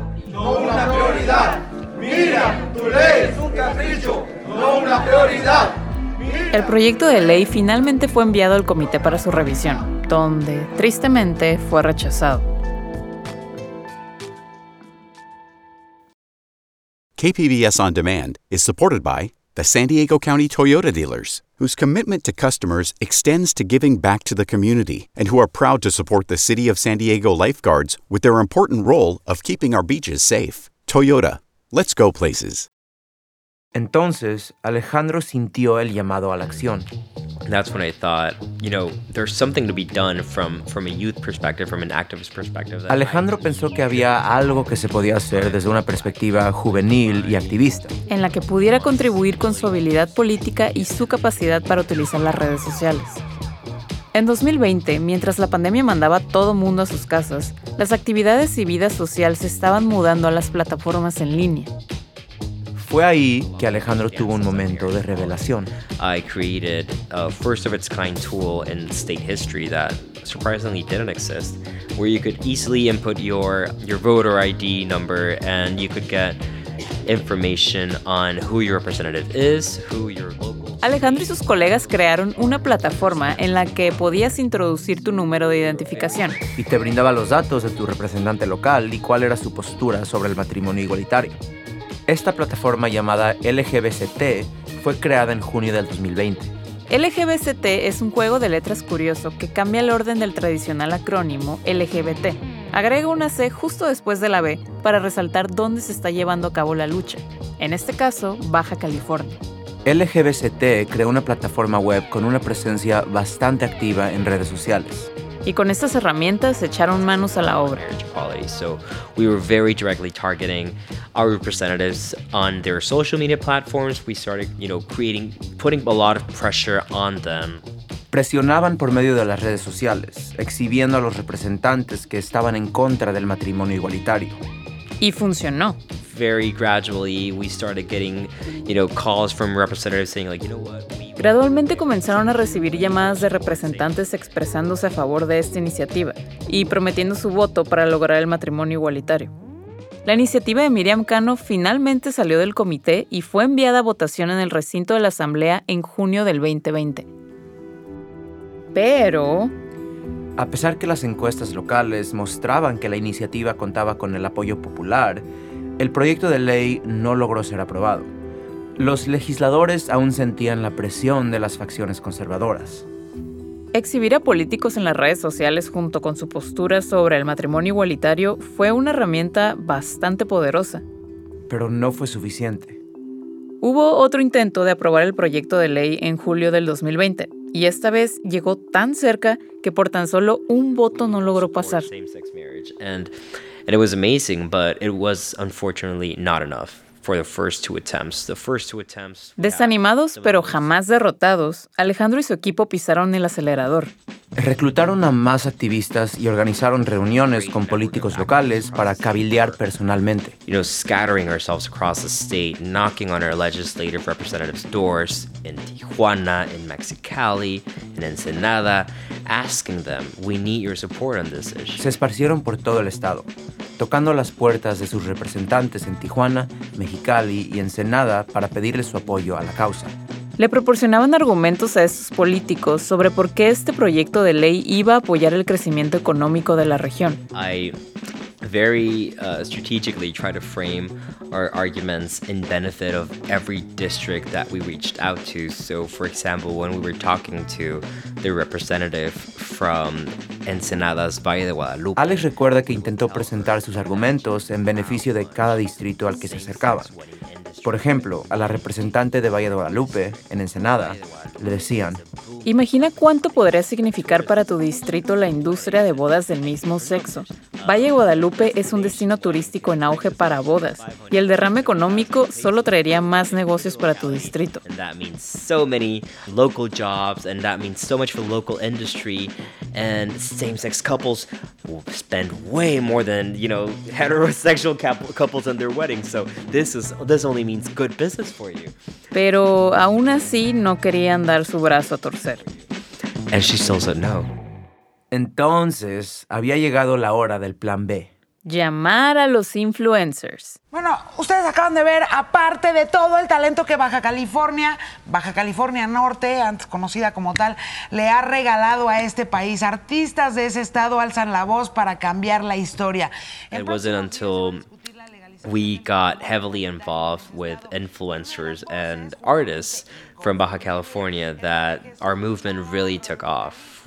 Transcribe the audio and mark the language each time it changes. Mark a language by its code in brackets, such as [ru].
[es] No una prioridad. Mira, tu ley es un capricho. No una prioridad. El proyecto de ley finalmente fue enviado al comité para su revisión, donde, tristemente, fue rechazado. [en] KPBS On Demand is supported by the San Diego County Toyota Dealers, whose commitment to customers extends to giving back to the community and who are proud to support the City of San Diego lifeguards with their important role of keeping our beaches safe. Toyota, let's go places. [es] Entonces, Alejandro sintió el llamado a la acción. [en] That's when I thought, you know, there's something to be done from a youth perspective, from an activist perspective. [es] Alejandro pensó que había algo que se podía hacer desde una perspectiva juvenil y activista, en la que pudiera contribuir con su habilidad política y su capacidad para utilizar las redes sociales. En 2020, mientras la pandemia mandaba a todo mundo a sus casas, las actividades y vida social se estaban mudando a las plataformas en línea. Fue ahí que Alejandro tuvo un momento de revelación. [en] I created a first of its kind tool in state history that surprisingly didn't exist, where you could easily input your voter ID number and you could get information on who your representative is, who your local. [es] Alejandro y sus colegas crearon una plataforma en la que podías introducir tu número de identificación. Y te brindaba los datos de tu representante local y cuál era su postura sobre el matrimonio igualitario. Esta plataforma llamada LGBCT fue creada en junio del 2020. LGBCT es un juego de letras curioso que cambia el orden del tradicional acrónimo LGBT. Agrega una C justo después de la B para resaltar dónde se está llevando a cabo la lucha. En este caso, Baja California. LGBCT creó una plataforma web con una presencia bastante activa en redes sociales. Y con estas herramientas se echaron manos a la obra. [en] So we were very directly targeting our representatives on their social media platforms. We started, you know, creating, putting a lot of pressure on them. [es] Presionaban por medio de las redes sociales, exhibiendo a los representantes que estaban en contra del matrimonio igualitario. Y funcionó. [en] Very gradually we started getting, you know, calls from representatives saying like, you know what? [es] Gradualmente comenzaron a recibir llamadas de representantes expresándose a favor de esta iniciativa y prometiendo su voto para lograr el matrimonio igualitario. La iniciativa de Miriam Cano finalmente salió del comité y fue enviada a votación en el recinto de la Asamblea en junio del 2020. Pero a pesar que las encuestas locales mostraban que la iniciativa contaba con el apoyo popular, el proyecto de ley no logró ser aprobado. Los legisladores aún sentían la presión de las facciones conservadoras. Exhibir a políticos en las redes sociales junto con su postura sobre el matrimonio igualitario fue una herramienta bastante poderosa. Pero no fue suficiente. Hubo otro intento de aprobar el proyecto de ley en julio del 2020. Y esta vez llegó tan cerca que por tan solo un voto no logró pasar. [en] And it was amazing, but it was unfortunately not enough for the first two attempts. The first two attempts. [es] Desanimados, pero jamás derrotados, Alejandro y su equipo pisaron el acelerador. Reclutaron a más activistas y organizaron reuniones con políticos locales para cabildear personalmente. [en] You know, scattering ourselves across the state, knocking on our legislative representatives' doors in Tijuana, in Mexicali, in Ensenada, asking them, "We need your support on this issue." [es] Se esparcieron por todo el estado, tocando las puertas de sus representantes en Tijuana, Mexicali y Ensenada para pedirles su apoyo a la causa. Le proporcionaban argumentos a estos políticos sobre por qué este proyecto de ley iba a apoyar el crecimiento económico de la región. [en] I very strategically try to frame our arguments in benefit of every district that we reached out to. So, for example, when we were talking to the representative from Ensenada's Valle de Guadalupe. [es] Alex recuerda que intentó presentar sus argumentos en beneficio de cada distrito al que se acercaba. Por ejemplo, a la representante de Valle de Guadalupe, en Ensenada, le decían: imagina cuánto podría significar para tu distrito la industria de bodas del mismo sexo. Valle Guadalupe es un destino turístico en auge para bodas, y el derrame económico solo traería más negocios para tu distrito. [en] And that means so many local jobs, and that means so much for local industry, and same-sex couples will spend way more than, you know, heterosexual couples on their weddings. So this only means good business for you. [es] Pero aún así no querían dar su brazo a torcer. [en] And she still said no. [es] Entonces, había llegado la hora del plan B. Llamar a los influencers. Bueno, ustedes acaban de ver, aparte de todo el talento que Baja California Norte, antes conocida como tal, le ha regalado a este país. Artistas de ese estado alzan la voz para cambiar la historia. [en] It wasn't until we got heavily involved with influencers and artists from Baja California that our movement really took off.